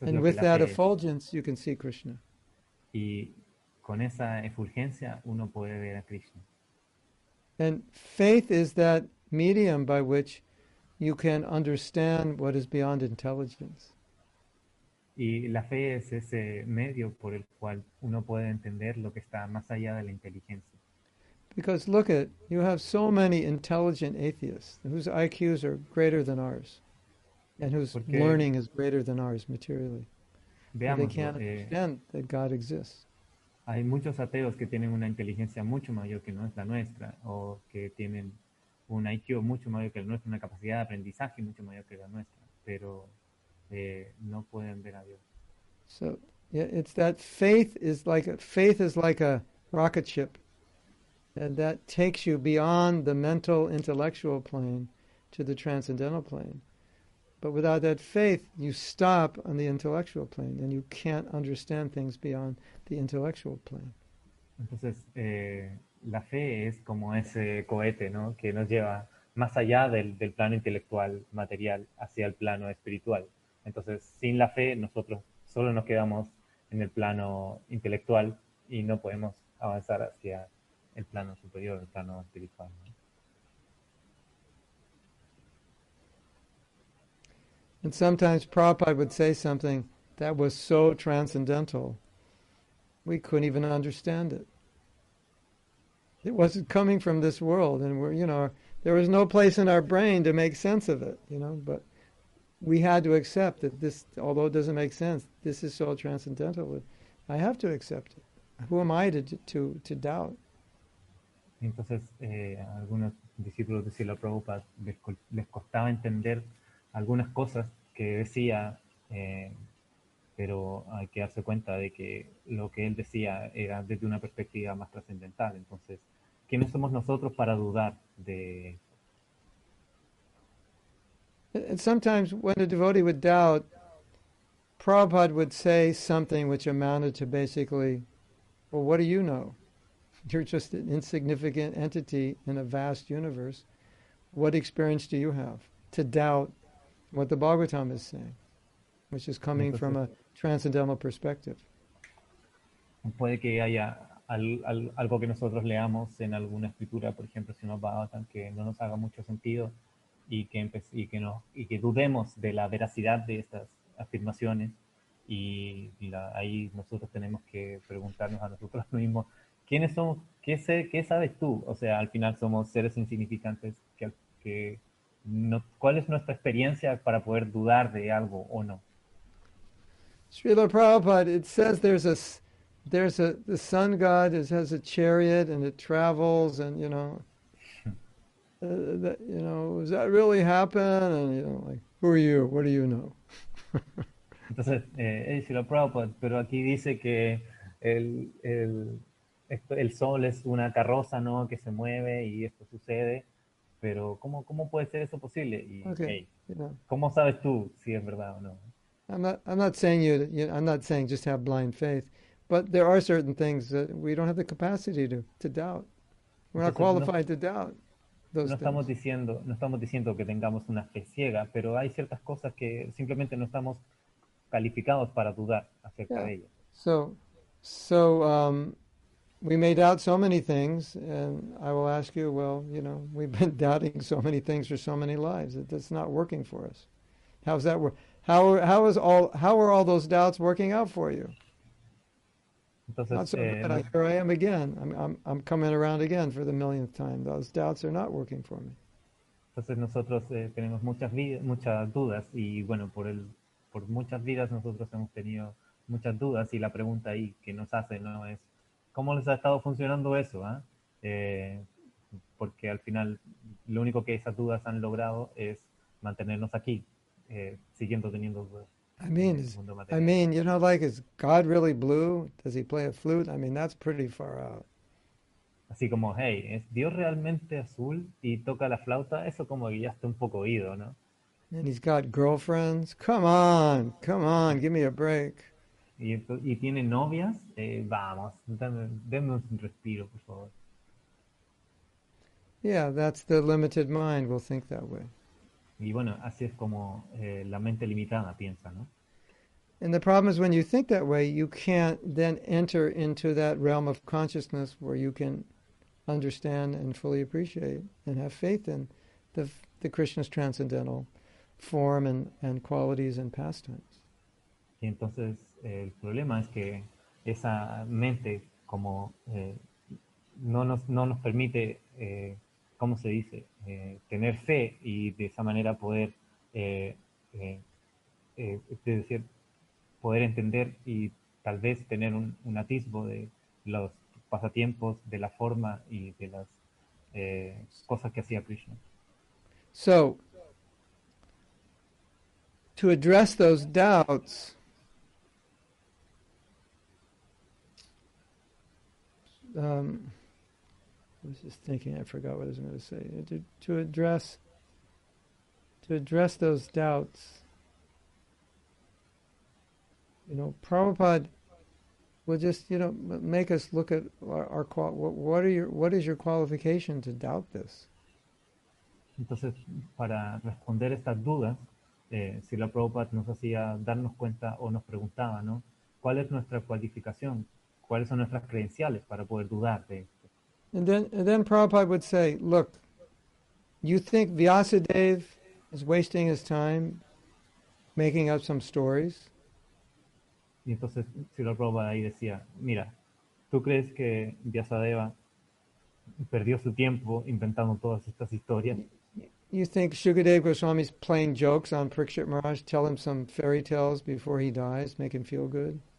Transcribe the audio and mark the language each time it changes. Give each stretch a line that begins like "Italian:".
English: And with that effulgence, you can see Krishna.
Spanish: Y con esa efulgencia uno puede ver a Krishna.
English: And faith is that medium by which you can understand what is beyond intelligence.
Spanish: Y la fe es ese medio por el cual uno puede entender lo que está más allá de la inteligencia.
English: Because look at, you have so many intelligent atheists whose IQs are greater than ours and whose learning is greater than ours materially.
Spanish: Veamos,
English: they can't understand that God exists.
Spanish: Hay muchos ateos que tienen una inteligencia mucho mayor que la nuestra o que tienen un IQ mucho mayor que el nuestro, una capacidad de aprendizaje mucho mayor que la nuestra, pero no pueden ver a Dios.
English: So, yeah, it's that faith is like a rocket ship, and that takes you beyond the mental intellectual plane to the transcendental plane. But without that faith, you stop on the intellectual plane, and you can't understand things beyond the intellectual plane.
Spanish: Entonces, la fe es como ese cohete, ¿no? Que nos lleva más allá del plano intelectual material hacia el plano espiritual. Entonces, sin la fe, nosotros solo nos quedamos en el plano intelectual y no podemos avanzar hacia el plano superior, el plano espiritual, ¿no?
English: And sometimes Prabhupada would say something that was so transcendental, we couldn't even understand it. It wasn't coming from this world, and we're, you know, there was no place in our brain to make sense of it, you know, but we had to accept that this, although it doesn't make sense, this is so transcendental. I have to accept it. Who am I to doubt?
Spanish: Entonces, algunos discípulos de Srila Prabhupada les costaba entender algunas cosas que decía, pero hay que darse cuenta de que lo que él decía era desde una perspectiva más trascendental. Entonces, ¿quiénes somos nosotros para dudar de esto?
English: And sometimes when a devotee would doubt, Prabhupada would say something which amounted to basically, well, what do you know? You're just an insignificant entity in a vast universe. What experience do you have to doubt what the Bhagavatam is saying, which is coming from a transcendental perspective?
Spanish: Puede que haya algo que nosotros leamos en alguna escritura, por ejemplo, si no Bhagavatam, que no nos haga mucho sentido y que dudemos de la veracidad de estas afirmaciones. Y ahí nosotros tenemos que preguntarnos a nosotros mismos, ¿quiénes somos? ¿Qué sabes tú? O sea, al final somos seres insignificantes que no, ¿cuál es nuestra experiencia para poder dudar de algo o no?
English: Srila Prabhupada, it says there's a the sun god has a chariot and it travels and, you know, you know, does that really happen? And, you know, like, who are you? What do you know?
Spanish: Entonces, Srila Prabhupada, pero aquí dice que el sol es una carroza, ¿no?, que se mueve y esto sucede. Pero ¿cómo puede ser eso posible? Y, okay, hey, ¿cómo sabes tú si es verdad o no?
English: I'm not saying just have blind faith, but there are certain things that we don't have the capacity to doubt. We're
Spanish: Entonces,
English: not qualified to doubt those
Spanish: no estamos
English: things.
Spanish: Diciendo, no estamos diciendo que tengamos una fe ciega, pero hay ciertas cosas que simplemente no estamos calificados para dudar acerca de ellas.
English: So we may doubt so many things, and I will ask you, well, you know, we've been doubting so many things for so many lives. It's not working for us. How's that work? How are all those doubts working out for you?
Spanish: Entonces,
English: not so bad. Here I am again. I'm coming around again for the millionth time. Those doubts are not working for me.
Spanish: Entonces nosotros tenemos muchas dudas, y bueno, por el por muchas vidas nosotros hemos tenido muchas dudas, y la pregunta ahí que nos hacen, ¿no?, es ¿cómo les ha estado funcionando eso? Porque al final lo único que esas dudas han logrado es mantenernos aquí, siguiendo teniendo dudas.
English: I mean, you know, like, is God really blue? Does he play a flute? I mean, that's pretty far out.
Spanish: Así como, hey, ¿es Dios realmente azul y toca la flauta? Eso como que ya está un poco oído, ¿no?
English: And he's got girlfriends. Come on, give me a break.
Spanish: ¿Y tiene novias? Vamos, denme un respiro, por favor.
English: Yeah, that's the limited mind. We'll think that way.
Spanish: Y bueno, así es como la mente limitada piensa, ¿no?
English: And the problem is when you think that way, you can't then enter into that realm of consciousness where you can understand and fully appreciate and have faith in the Krishna's transcendental form and qualities and pastimes.
Spanish: Y entonces el problema es que esa mente como no nos permite ¿cómo se dice? Tener fe y de esa manera poder es decir, poder entender y tal vez tener un atisbo de los pasatiempos, de la forma y de las cosas que hacía Krishna.
English: So, to address those doubts, I was just thinking, I forgot what I was going to say. To address those doubts, you know, Prabhupada will just, you know, make us look at our what is your qualification to doubt this?
Spanish: Entonces, para responder estas dudas, si la Prabhupada nos hacía darnos cuenta o nos preguntaba, ¿no?, ¿cuál es nuestra cualificación? ¿Cuáles son nuestras credenciales para poder dudar de esto?
English: And then Prabhupada would say, look, you think Vyasadev is wasting his time making up some stories?
Spanish: Y entonces Srila Prabhupada ahí decía, mira, ¿tú crees que Vyasadeva perdió su tiempo inventando todas estas historias?
English: You think Shukadeva Goswami's playing jokes on Parikshit Maharaj, tell him some fairy tales before he dies, make him feel good?